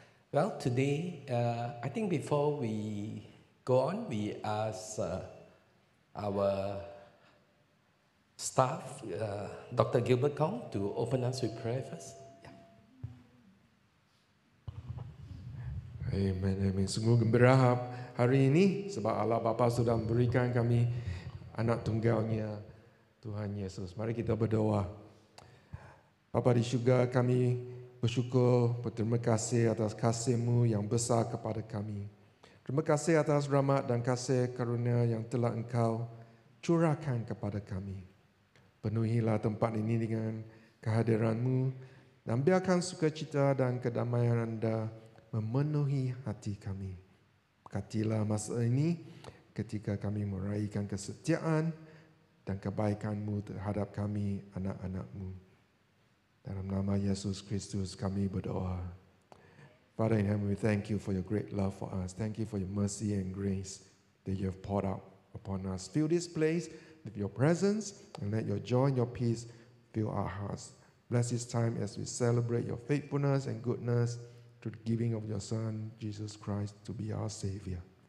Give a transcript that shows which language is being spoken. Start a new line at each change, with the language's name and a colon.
English: Well, today, I think before we go on, we ask our staff, Dr. Gilbert Kong, to open us with prayer first. Amen, amen.
Indonesian: Sungguh gembira hari ini sebab Allah Bapa sudah memberikan kami anak tunggalnya, Tuhan Yesus. Mari kita berdoa. Bapa di syurga, kami bersyukur, berterima kasih atas kasih-Mu yang besar kepada kami. Terima kasih atas rahmat dan kasih karunia yang telah Engkau curahkan kepada kami. Penuhilah tempat ini dengan kehadiran-Mu dan biarkan sukacita dan kedamaian anda memenuhi hati kami. Berkatilah masa ini ketika kami meraihkan kesetiaan dan kebaikan-Mu terhadap kami, anak-anak-Mu. Dalam nama Yesus Kristus kami berdoa.
English: Father in heaven, we thank you for your great love for us. Thank you for your mercy and grace that you have poured out upon us. Fill this place with your presence and let your joy and your peace fill our hearts. Bless this time as we celebrate your faithfulness and goodness through the giving of your Son, Jesus Christ, to be our Savior.